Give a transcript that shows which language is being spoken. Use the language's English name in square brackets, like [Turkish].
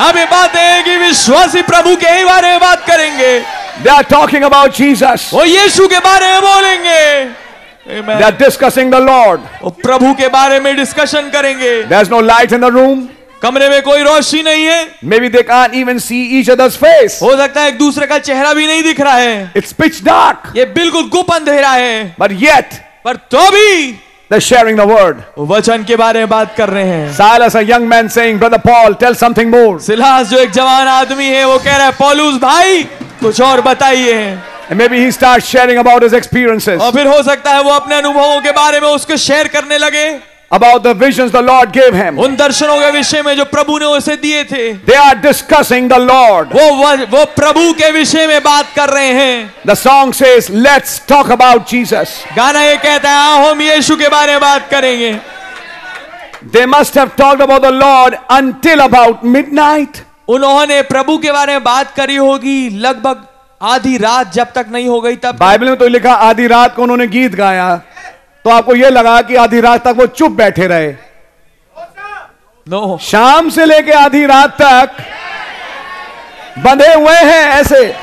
[Hindi] अब ये बातें हैं कि विश्वासी प्रभु के ही बारे में बात करेंगे. [English] They are talking about Jesus. [Hindi] वो यीशु के बारे में बोलेंगे. [English] Amen. They are discussing the Lord. [Hindi] वो प्रभु के बारे में डिस्कशन करेंगे. [English] There's no light in the room. [Hindi] कमरे में कोई रोशनी नहीं है. [English] Maybe they can't even see each other's face. [Hindi] हो सकता है एक दूसरे का चेहरा भी नहीं दिख रहा है. [English] It's pitch dark. [Hindi] ये बिल्कुल गुप्त अंधेरा है. [English] But yet. [Hindi] पर तो भी. [English] They're sharing the word. [Hindi] वचन के बारे में बात कर रहे हैं. [English] Silas, a young man, saying, "Brother Paul, tell something more." [Hindi] Silas जो एक जवान आदमी है, वो कह रहा है, पौलुस भाई, कुछ और बताइए. [English] And maybe he starts sharing about his experiences. [Hindi] और फिर हो सकता है वो अपने अनुभवों के बारे में उसके शेयर करने लगे. [English] About the visions the Lord gave him. [Hindi] उन दर्शनों के विषय में जो प्रभु ने उसे दिए थे. [English] They are discussing the Lord. [Hindi] वो प्रभु के विषय में बात कर रहे हैं. [English] The song says, "Let's talk about Jesus." [Hindi] गाना ये कहता है, हम यीशु के बारे में बात करेंगे. [English] They must have talked about the Lord until about midnight. [Hindi] उन्होंने प्रभु के बारे में बात करी होगी लगभग आधी रात जब तक नहीं हो गई तब. बाइबल में तो लिखा आधी रात को उन्होंने गीत गाया. तो आपको यह लगा कि आधी रात तक वो चुप बैठे रहे? [English] No. [Hindi] शाम से लेके आधी रात तक बंधे हुए हैं ऐसे.